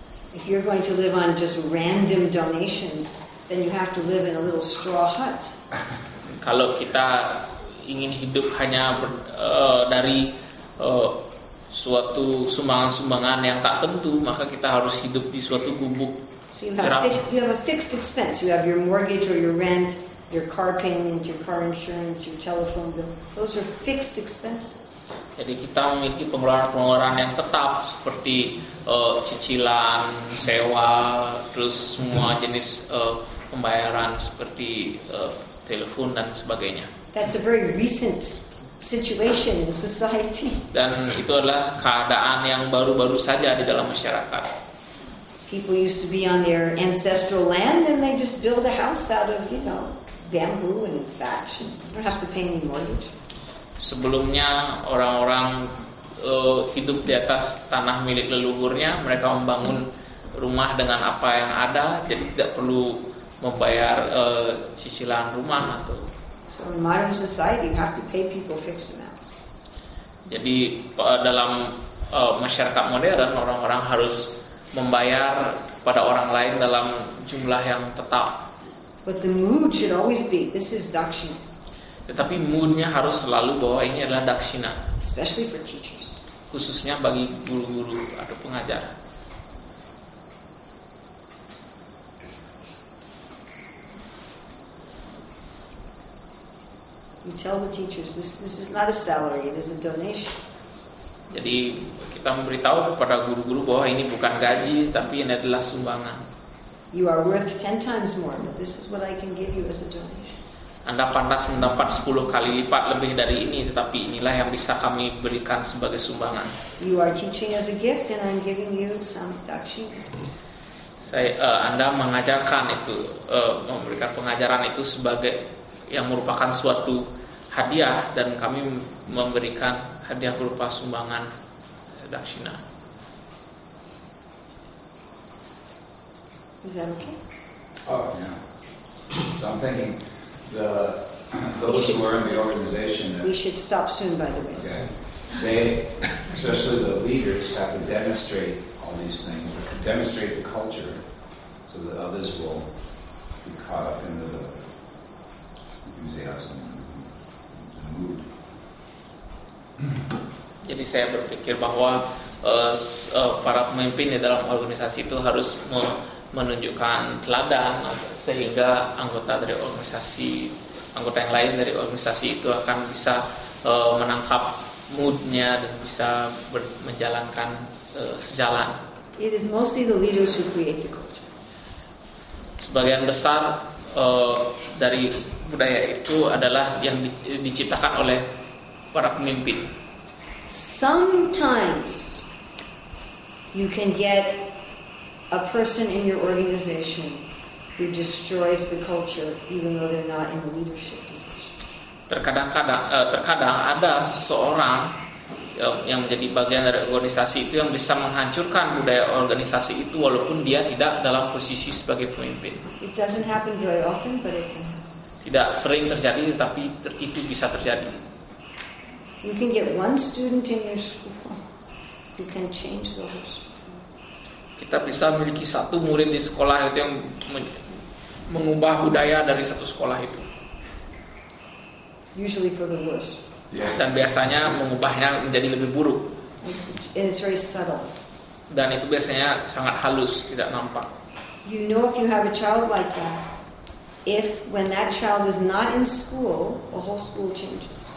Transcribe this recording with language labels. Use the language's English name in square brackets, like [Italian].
[English] If you're going to live on just random donations, then you have to live in a little straw hut. [Indonesian] Kalau kita ingin hidup hanya dari suatu sumbangan-sumbangan yang tak tentu, maka kita harus hidup di suatu gubuk. [English] So you have a fixed expense. You have your mortgage or your rent, your car payment, your car insurance, your telephone bill. Those are fixed expenses. [Indonesian] Jadi kita memiliki pengeluaran-pengeluaran yang tetap seperti cicilan, sewa, terus semua jenis pembayaran seperti telepon dan sebagainya. [English] That's a very recent situation in society. [Indonesian] Dan itu adalah keadaan yang baru-baru saja di dalam masyarakat. [English] People used to be on their ancestral land and they just build a house out of, you know, bamboo and thatch. You don't have to pay any mortgage. [Indonesian] Sebelumnya orang-orang hidup di atas tanah milik leluhurnya, mereka membangun rumah dengan apa yang ada, jadi tidak perlu membayar cicilan rumah atau. [English] So in modern society, you have to pay people fixed amounts. [Indonesian] Jadi dalam masyarakat modern, orang-orang harus membayar pada orang lain dalam jumlah yang tetap. [English] But the mood should always be, this is daksina. [Indonesian] Tetapi moodnya harus selalu bahwa ini adalah daksina. [English] Especially for teachers. [Indonesian] Khususnya bagi guru-guru atau pengajar. [English] You tell the teachers this is not a salary, it is a donation. [Indonesian] Jadi kita memberitahu kepada guru-guru bahwa ini bukan gaji, tapi ini adalah sumbangan. [English] You are worth 10 times more, but this is what I can give you as a donation. [Indonesian] Anda pantas mendapat 10 kali lipat lebih dari ini, tetapi inilah yang bisa kami berikan sebagai sumbangan. [English] You are teaching as a gift and I'm giving you some dakshinas. [Indonesian] Anda mengajarkan itu, memberikan pengajaran itu sebagai yang merupakan suatu hadiah dan kami memberikan hadiah berupa sumbangan dakshina. [English] Is that okay? Oh, yeah. So I'm thinking those who are in the organization. We should stop soon, by the way. Okay. They, especially the leaders, have to demonstrate all these things, demonstrate the culture, so that others will be caught up in the enthusiasm, the mood. [Indonesian] Jadi saya berpikir bahwa para pemimpin di dalam organisasi itu harus menunjukkan teladan sehingga anggota dari organisasi anggota yang lain dari organisasi itu akan bisa menangkap moodnya dan bisa menjalankan sejalan. [English] It is mostly the leaders who create the culture. [Indonesian] Sebagian besar dari budaya itu adalah yang diciptakan oleh para pemimpin. [English] Sometimes you can get a person in your organization who destroys the culture even though they're not in the leadership position. [Indonesian] Terkadang ada seseorang yang menjadi bagian dari organisasi itu yang bisa menghancurkan budaya organisasi itu walaupun dia tidak dalam posisi sebagai pemimpin. [English] It doesn't happen very often, but it can. [Indonesian] Tidak sering terjadi, tapi itu bisa terjadi. [English] You can get one student in your school who can change the whole school. [Indonesian] Kita bisa memiliki satu murid di sekolah itu yang mengubah budaya dari satu sekolah itu. [English] Usually for the worse. [Indonesian] Dan biasanya mengubahnya menjadi lebih buruk. [English] And it's very subtle. [Indonesian] Dan itu biasanya sangat halus, tidak nampak. [English] You know if you have a child like that, if when that child is not in school, the whole school changes.